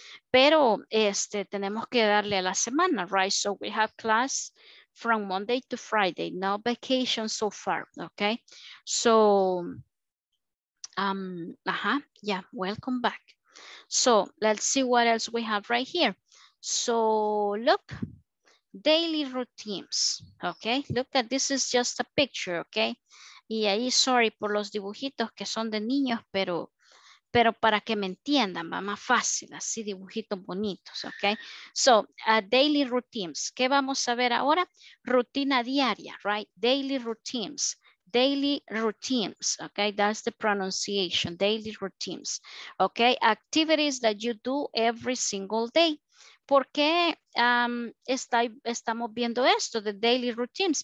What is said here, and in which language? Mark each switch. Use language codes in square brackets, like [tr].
[en] Pero tenemos que darle a la semana, right, so we have class from Monday to Friday, no vacation so far, okay? So, yeah, welcome back. So, let's see what else we have right here. So, look, daily routines, okay? Look at this, is just a picture, okay? [es] Y ahí, sorry por los dibujitos que son de niños, pero para que me entiendan, va más fácil, así dibujitos bonitos, ¿ok? So, daily routines, ¿qué vamos a ver ahora? Rutina diaria, right? Daily routines, ¿ok? [en] That's the pronunciation, daily routines, ¿ok? Activities that you do every single day. [es] ¿Por qué estamos viendo esto de daily routines?